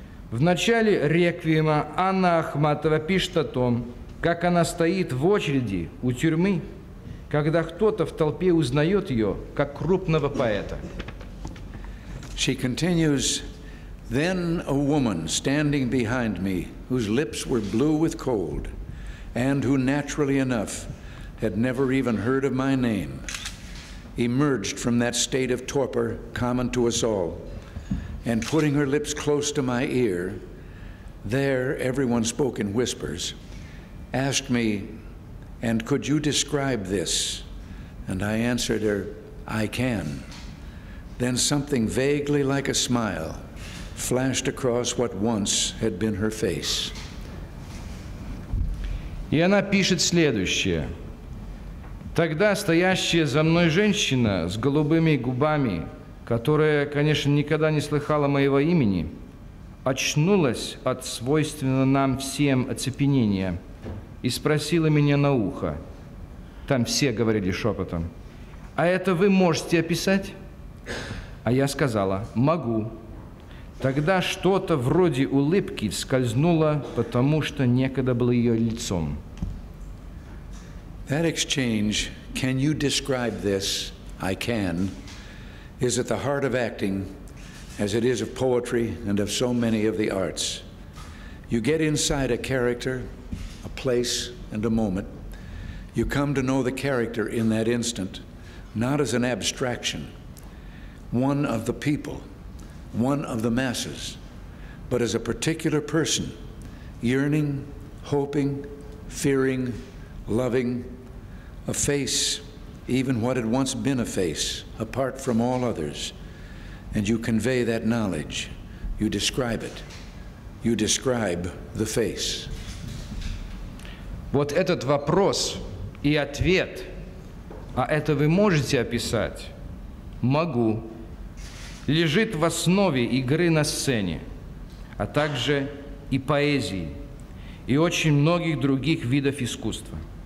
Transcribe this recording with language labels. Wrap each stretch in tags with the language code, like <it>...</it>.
<ru>В начале «Реквиема» Анна Ахматова пишет о том, как она стоит в очереди у тюрьмы, когда кто-то в толпе узнает ее как крупного поэта.</ru> <en>She continues, then a woman standing behind me, whose lips were blue with cold, and who naturally enough had never even heard of my name, emerged from that state of torpor common to us all, and putting her lips close to my ear, there everyone spoke in whispers, asked me, and could you describe this? And I answered her, I can. Then something vaguely like a smile flashed across what once had been her face.</en> <ru>И она пишет следующее. Тогда стоящая за мной женщина с голубыми губами, которая, конечно, никогда не слыхала моего имени, очнулась от свойственного нам всем оцепенения и спросила меня на ухо. Там все говорили шепотом. А это вы можете описать? А я сказала, могу. Тогда что-то вроде улыбки скользнуло, потому что некогда было ее лицом.</ru> <en>That exchange, can you describe this? I can, is at the heart of acting, as it is of poetry and of so many of the arts. You get inside a character, a place and a moment. You come to know the character in that instant, not as an abstraction. One of the people, one of the masses, but as a particular person, yearning, hoping, fearing, loving, a face, even what had once been a face, apart from all others. And you convey that knowledge, you describe it, you describe the face.</en> <ru>Вот этот вопрос и ответ, а это вы можете описать? Могу. Лежит в основе игры на сцене, а также и поэзии, и очень многих других видов искусства.</ru>